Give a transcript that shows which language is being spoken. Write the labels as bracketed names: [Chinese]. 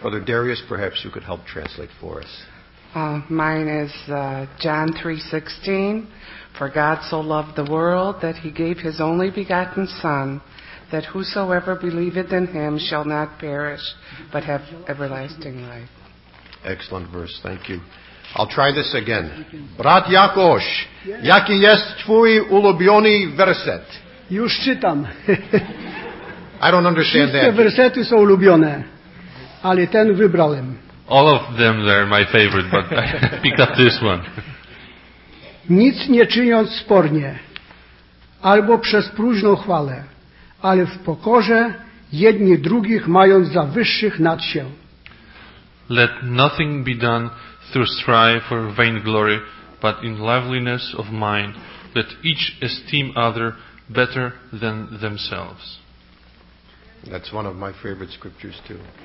[English] Brother Darius, perhaps you could help translate for us. Mine is John 3:16. For God so loved the world that he gave his only begotten Son, that whosoever believeth in him shall not perish, but have everlasting life. Excellent verse. Thank you. I'll try this again. [Polish] Brat Jakosz, jaki jest twój ulubiony werset? Już czytam. [English] I don't understand that. [Polish] Wszystkie wersety są ulubione, ale ten wybrałem. [English] All of them are my favorite, but I picked up this one. [Polish] Nic nie czyniąc spornie, albo przez próżną chwalę, ale w pokorze jedni drugich mając za wyższych nad się. [English] Let nothing be done through strife or vainglory, but in loveliness of mind, let each esteem other better than themselves. That's one of my favorite scriptures too.